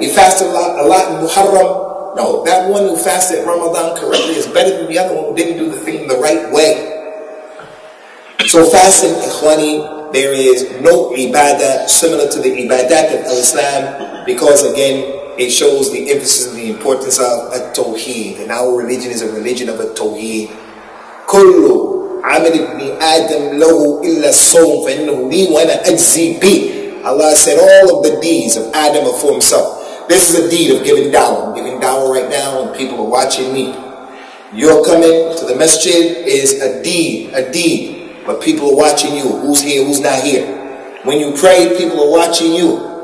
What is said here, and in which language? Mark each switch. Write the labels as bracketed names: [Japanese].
[English] He fasts a lot in Muharram. No, that one who fasted Ramadan correctly is better than the other one who didn't do the thing the right way. So fasting, ikhwani, there is no ibadah similar to the ibadat of al-Islam, because again, it shows the emphasis and the importance of at-tawheed. And our religion is a religion of at-tawheed. [Arabic] Kullu عَمَلِ ابْنِ آدَمْ لَهُ إِلَّا الصَّوْمُ فَإِنَّهُ لِي وَأَنَا أَجْزِي بِهِ. [English] Allah said all of the deeds of Adam are for himself. This is a deed of giving dawah. I'm giving dawah right now and people are watching me. Your coming to the masjid is a deed. But people are watching you. Who's here, who's not here. When you pray, people are watching you.